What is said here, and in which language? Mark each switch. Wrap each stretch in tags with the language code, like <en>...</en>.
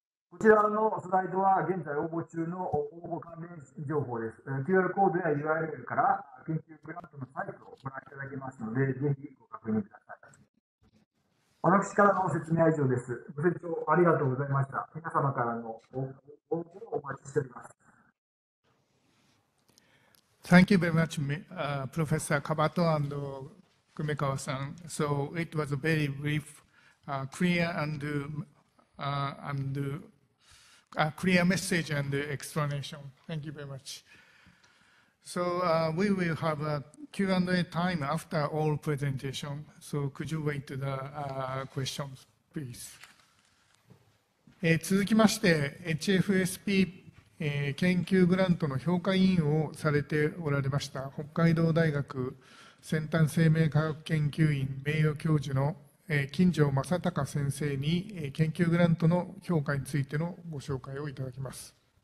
<ja>こちらのスライドは現在応募中の応募関連情報です。 QR コードや URL から研究グラントのサイトをご覧いただけますので、ぜひご確認ください。私からの説明は以上です。ご清聴ありがとうございました。皆様からの応募をお待ちしております。</ja> <en>Thank you very much, Professor Kabato and Kumekawa-san. So it was a very brief, clear message and explanation. Thank you very much. So we will have a Q&A time after all presentation. So could you wait to the questions, please?</en> <ja>続きまして、HFSP 研究グラントの評価委員をされておられました、北海道大学先端生命科学研究員名誉教授の金城正孝先生に、研究グラントの評価についてのご紹介をいただきます。</ja>